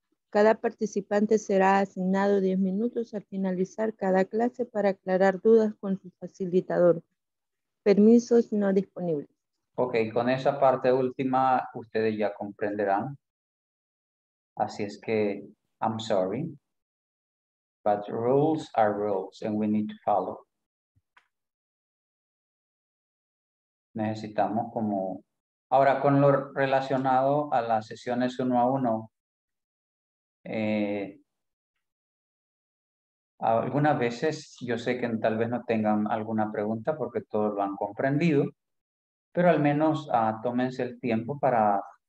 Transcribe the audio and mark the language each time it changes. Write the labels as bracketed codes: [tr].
[es] Cada participante será asignado 10 minutos al finalizar cada clase para aclarar dudas con su facilitador. Permisos no disponibles. Ok, con esa parte última ustedes ya comprenderán. Así es que, [en] I'm sorry. But rules are rules and we need to follow. [es] Necesitamos como, ahora con lo relacionado a las sesiones uno a uno, algunas veces yo sé que tal vez no tengan alguna pregunta porque todos lo han comprendido, pero al menos tómense el tiempo para